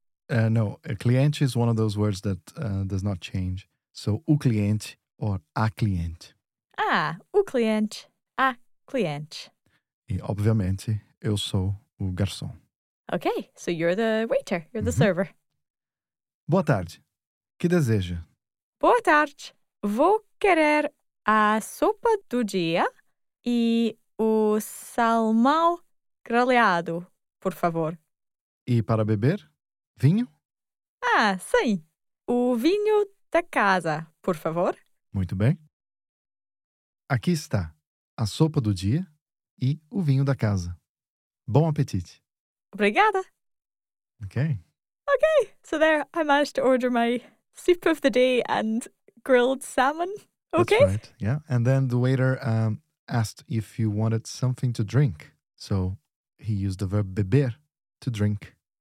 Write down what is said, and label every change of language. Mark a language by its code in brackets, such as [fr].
[en] No, a cliente is one of those words that does not change. So o cliente or a cliente. [pt] Ah, o cliente, a cliente. E obviamente, eu sou o garçom. [en] Okay, so you're the waiter, you're the server. [pt] Boa tarde, que deseja? Boa tarde, vou querer a sopa do dia e o salmão grelhado, por favor. E para beber, vinho? Ah, sim, o vinho da casa, por favor. Muito bem. Aqui está a sopa do dia e o vinho da casa. Bom apetite. Obrigada. [en] Okay. Okay, so there I managed to order my soup of the day and grilled salmon. Okay. That's right, yeah. And then the waiter asked if you wanted something to drink. So he used the verb beber, to drink.